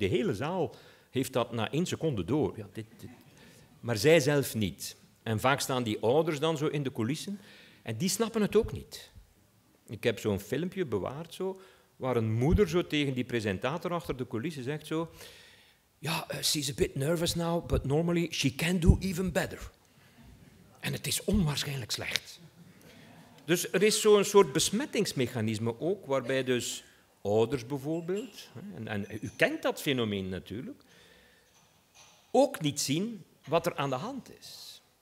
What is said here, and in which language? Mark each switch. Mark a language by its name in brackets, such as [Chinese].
[Dutch] De hele zaal heeft dat na één seconde door. Ja, dit. Maar zij zelf niet. En vaak staan die ouders dan zo in de coulissen... En die snappen het ook niet. Ik heb zo'n filmpje bewaard, zo, waar een moeder zo tegen die presentator achter de coulissen zegt zo... [English] Ja, she's a bit nervous now, but normally she can do even better. [Dutch] En het is onwaarschijnlijk slecht. Dus er is zo'n soort besmettingsmechanisme ook, waarbij dus ouders bijvoorbeeld... En u kent dat fenomeen natuurlijk. Ook niet zien wat er aan de hand is.